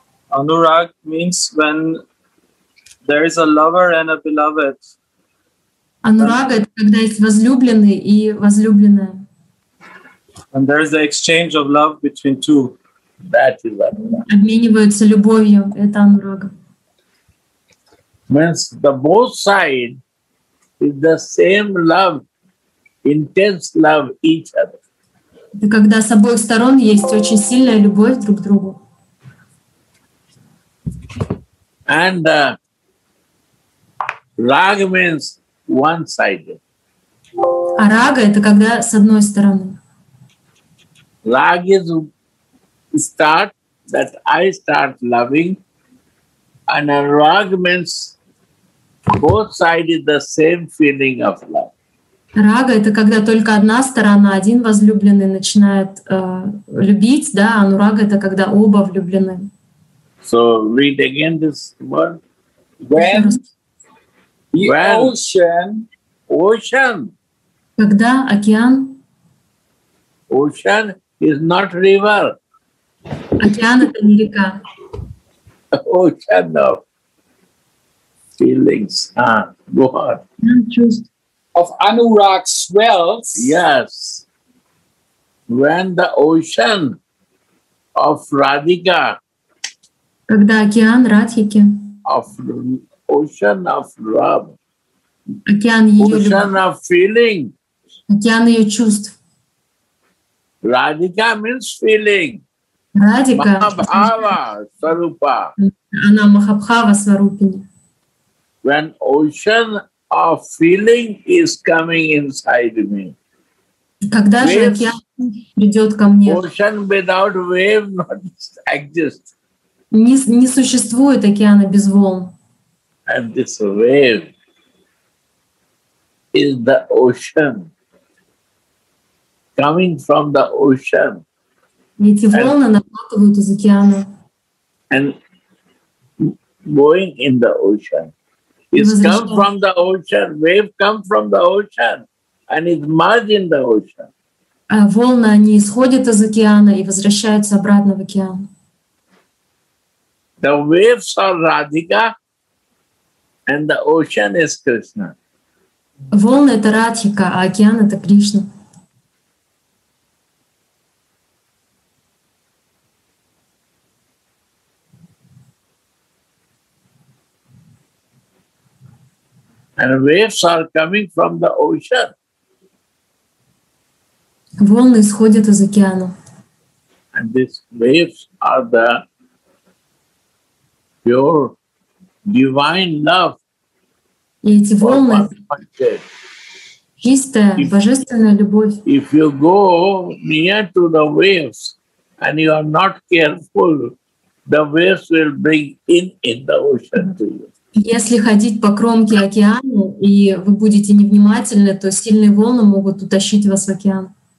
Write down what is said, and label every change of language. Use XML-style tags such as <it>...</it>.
<en>Anurag means when there is a lover and a beloved.</en> <ru>Анурага — это когда есть возлюбленный и возлюбленная.</ru> <en>And there is the exchange of love between two. That is Anurag.</en> <ru>Обмениваются любовью — это Анурага.</ru> <en>Means the both side is the same love, intense love each other.</en> <ru>И когда с обоих сторон есть очень сильная любовь друг к другу.</ru> <en>And rag means one-sided.</en> <ru>А рага это когда с одной стороны.</ru> <en>Rag is start that I start loving, and a rag means both sides is the same feeling of love.</en> <ru>Рага это когда только одна сторона, один возлюбленный начинает любить, да? Анурага это когда оба влюблены.</ru> <en>So read again this word. When the ocean.</en> <ru>Когда океан.</ru> <en>Ocean is not river.</en> <ru>Океан это не река.</ru> <en>Ocean of feelings. Go on. Of Anurag swells. Yes. When the ocean of Radhika.</en> <ru>Когда океан Радхики.</ru> <en>Of ocean of love.</en> <ru>Океан ее</ru> <en>ocean</en> <ru>любви.</ru> <en>Of feeling.</en> <ru>Океан ее чувств.</ru> <en>Radhika means feeling.</en> <ru>Радика. Махабхава сварупа. Она Махабхава сварупини.</ru> <en>When ocean of feeling is coming inside me.</en> <ru>Когда же океан придет ко мне?</ru> <en>Ocean without wave not exist.</en> <ru>Не существует океана без волн.</ru> <en>And this wave is the ocean. Coming from the ocean.</en> <ru>Эти волны накатывают из океана.</ru> <en>And going in the ocean. It's come from the ocean. Wave come from the ocean. And it's merged in the ocean.</en> <ru>А волны, они исходят из океана и возвращаются обратно в океан.</ru> <en>The waves are Radhika and the ocean is Krishna.</en> <ru>Волны — это Радхика, а океан — это Кришна.</ru> <en>And waves are coming from the ocean.</en> <ru>Волны исходят из океана.</ru> <en>And these waves are the pure divine love.</en> <ru>И эти волны чистая божественная любовь.</ru> <en>If you go near to the waves and you are not careful, the waves will bring in the ocean to you.</en> <ru>Если ходить по кромке океана и вы будете невнимательны, то сильные волны могут утащить вас в океан.</ru>